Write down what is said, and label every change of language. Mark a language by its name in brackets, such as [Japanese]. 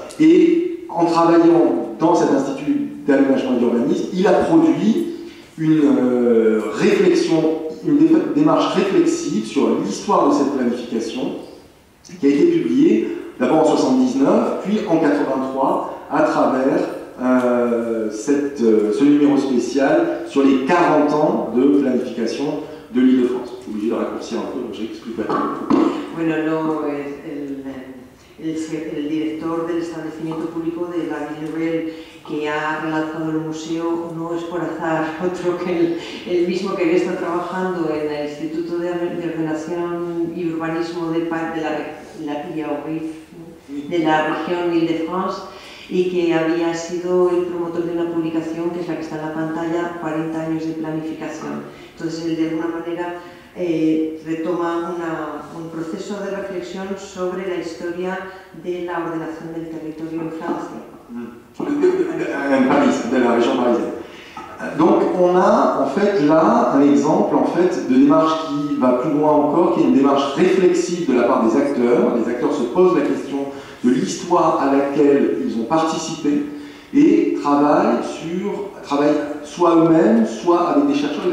[French] Et en travaillant dans cet institut d'aménagement et d'urbanisme, il a produit une démarche réflexive sur l'histoire de cette planification qui a été publiée d'abord en 79, puis en 83 à travers ce numéro spécial sur les 40 ans de planification de l'Île-de-France. Je suis obligé de raccourcir un peu, donc j'explique pas tout. [Spanish] Bueno, no, el director del establecimiento público de la Ville Nouvelle que ha relanzado el museo no es por azar otro que el mismo que había estado trabajando en el Instituto de Ordenación y Urbanismo de la región Ile-de-France y que había sido el promotor de una publicación que es la que está en la pantalla, 40 años de planificación. Entonces él de alguna manera retoma un proceso de reflexión sobre la historia de la ordenación del territorio en Francia. En París, de la [French] région parisienne. Donc on a en fait là un exemple en fait de démarche qui va plus loin encore, qui est une démarche réflexive de la part des acteurs. Les acteurs se posent la question de l'histoire à laquelle ils ont participé et travaillent soit eux-mêmes, soit avec des chercheurs.